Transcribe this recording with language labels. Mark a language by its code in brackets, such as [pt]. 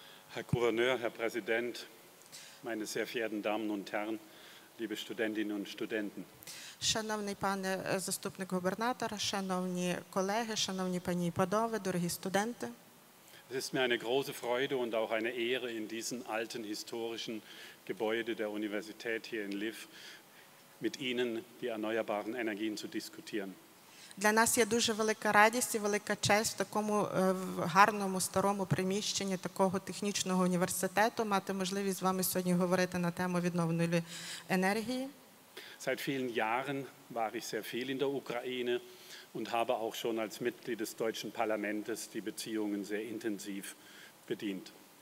[de] Herr Gouverneur, Herr Präsident, meine sehr verehrten Damen und Herren, liebe Studentinnen und Studenten. [uk] Шановний пане заступник губернатора, шановні колеги, шановні пані і панове, дорогі студенти. [de] Es ist mir eine große Freude und auch eine Ehre, in diesem alten historischen Gebäude der Universität hier in Lviv mit Ihnen die erneuerbaren Energien zu diskutieren. [uk] Для нас є дуже велика радість і велика честь в такому гарному старому приміщенні такого технічного університету мати можливість з вами сьогодні говорити на тему відновлювальної енергії. [de] Seit vielen Jahren war ich sehr viel in der Ukraine und habe auch schon als Mitglied des deutschen Parlaments die Beziehungen sehr intensiv bedient.